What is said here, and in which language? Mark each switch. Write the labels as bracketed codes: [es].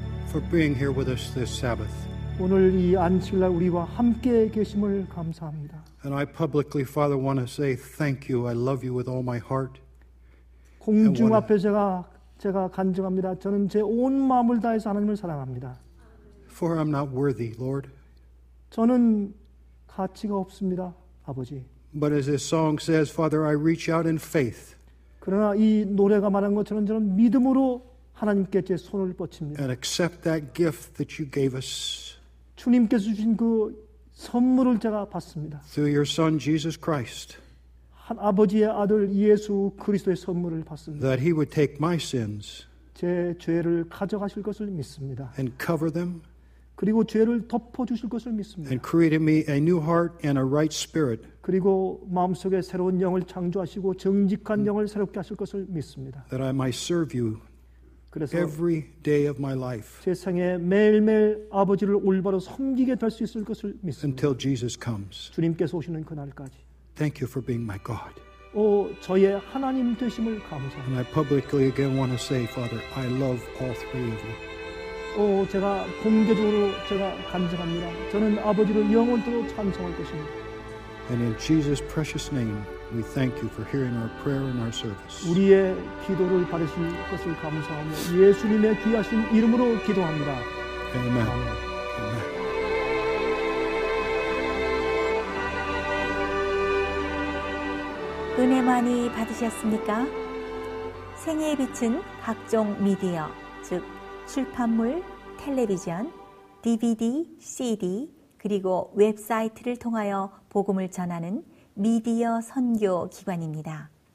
[en] For being here with us this Sabbath. [ko] 오늘 이 안식일날 우리와 함께 계심을 감사합니다. [en] And I publicly, Father, want to say thank you. I love you with all my heart. [ko] 공중 앞에 제가 간증합니다. 저는 제 온 마음을 다해서 하나님을 사랑합니다. [en] For I'm not worthy, Lord. [ko] 저는 가치가 없습니다, 아버지. [en] But as this song says, Father, I reach out in faith. [ko] 그러나 이 노래가 말한 것처럼 저는 믿음으로 하나님께 제 손을 뻗칩니다. [en] And accept that gift that you gave us. [ko] 주님께서 주신 그 선물을 제가 받습니다. [en] Through your son Jesus Christ. [ko] 아버지의 아들 예수 그리스도의 선물을 받습니다. [en] That he would take my sins. [ko] 제 죄를 가져가실 것을 믿습니다. [en] And cover them. [ko] 그리고 죄를 덮어 주실 것을 믿습니다. [en] And create in me a new heart and a right spirit. [ko] 그리고 마음속에 새로운 영을 창조하시고 정직한 영을 새롭게 하실 것을 믿습니다. [en] That I might serve you. Every day of my life. [ko] 세상에 매일매일 아버지를 올바로 섬기게 될 수 있을 것을 믿습니다. [en] Until Jesus comes. [ko] 주님께서 오시는 그날까지. [en] Thank you for being my God. [ko] 오 저의 하나님 되심을 감사합니다. [en] And I publicly again want to say, Father, I love all three of you. [ko] 오 제가 공개적으로 제가 간증합니다. 저는 아버지를 영원토록 찬송할 것입니다. [en] And in Jesus' precious name, we thank you for hearing our prayer and our service. [ko] 우리의 기도를 받으실 것을 감사하며 예수님의 귀하신 이름으로 기도합니다. [en] Amen. Amen. Amen. [ko] 은혜 많이 받으셨습니까? 생애에 비친 각종 미디어, 즉 출판물, 텔레비전, DVD, CD, 그리고 웹사이트를 통하여 복음을 전하는 미디어 선교 기관입니다.